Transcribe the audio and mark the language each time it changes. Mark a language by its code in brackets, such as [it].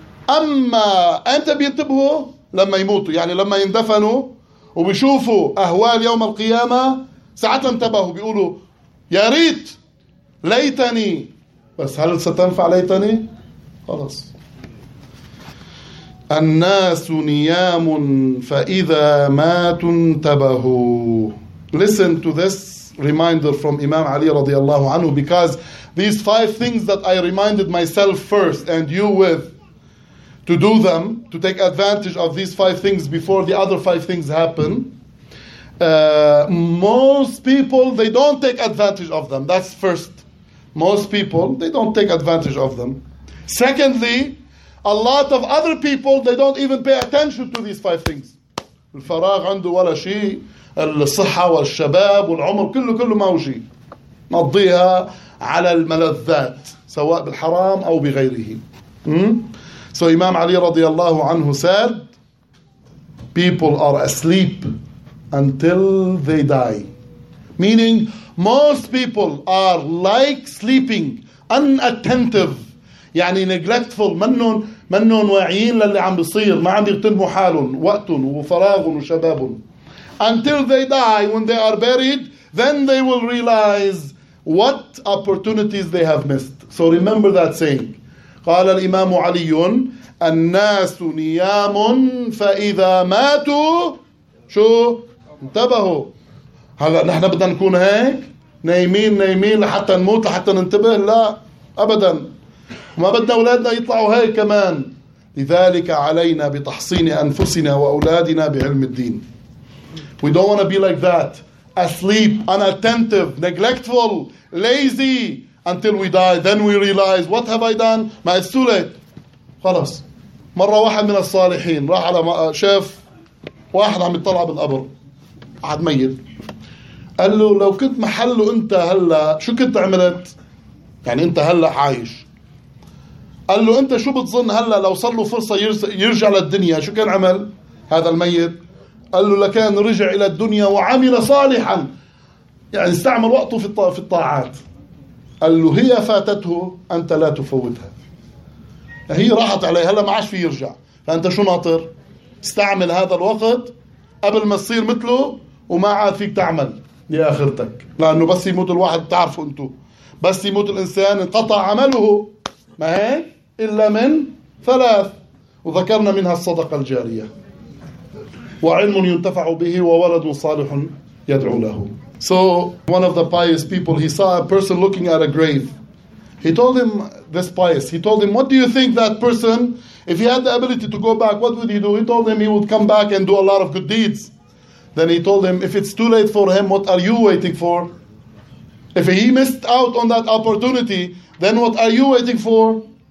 [ar] أما أنت بينتبهوا لما يموتوا، يعني لما يندفنوا وبيشوفوا أهوال يوم القيامة ساعتها انتبهوا، بيقولوا يا ريت ليتني. بس هل ستنفع ليتني؟ خلاص. الناس نيام فإذا مات انتبهوا. [en] Listen to this reminder from Imam Ali رضي الله عنه, because these five things that I reminded myself first and you with, to do them, to take advantage of these five things before the other five things happen, most people, they don't take advantage of them. That's first. Most people, they don't take advantage of them. Secondly, a lot of other people, they don't even pay attention to these five things. [ar] الفراغ عنده ولا شيء, الصحة والشباب والعمر كله كله ما هو شيء. مضيها على الملذات سواء بالحرام أو بغيره. [en] So Imam Ali رضي الله عنه said, people are asleep until they die. Meaning, most people are like sleeping, unattentive, [ar] يعني [en] neglectful, [ar] منهم واعيين للي عم بصير, ما عم يغتنموا حالهم, وقت وفراغ وشباب. [en] Until they die, when they are buried, then they will realize what opportunities they have missed. So remember that saying. [ar] قال الإمام علي, الناس نيام فإذا ماتوا, شو؟ انتبهوا. هلا نحن بدنا نكون هيك نايمين لحتى نموت لحتى ننتبه؟ لا أبدا. وما بدنا أولادنا يطلعوا هيك كمان. لذلك علينا بتحصين أنفسنا وأولادنا بعلم الدين. [en] We don't want to be like that, asleep, unattentive, neglectful, lazy, until we die. Then we realize, what have I done? ما it's too late. [ar] خلص. مرة واحد من الصالحين راح على شاف واحد عم يطلع بالقبر, عاد ميت. قال له لو كنت محله أنت هلا شو كنت عملت؟ يعني أنت هلا عايش. قال له أنت شو بتظن هلا لو صار له فرصة يرجع للدنيا شو كان عمل هذا الميت؟ قال له لكان رجع إلى الدنيا وعمل صالحا, يعني استعمل وقته في الطاعات. قال له هي فاتته أنت لا تفوتها. هي راحت عليه هلا ما عاش في يرجع. فأنت شو ناطر؟ استعمل هذا الوقت قبل ما تصير مثله وما عاد فيك تعمل لآخرتك. لأنه بس يموت الواحد تعرفوا أنتو، بس يموت الإنسان انقطع عمله، ما هيك؟ إلا من ثلاث، وذكرنا منها الصدقة الجارية، وعلم ينتفع به، وولد صالح يدعو له. [en] So one of the pious people, he saw a person looking at a grave. He told him, this pious, he told him, what do you think that person, if he had the ability to go back, what would he do? He told him he would come back and do a lot of good deeds. Then he told him, if it's too late for him, what are you waiting for? If he missed out on that opportunity, then what are you waiting for?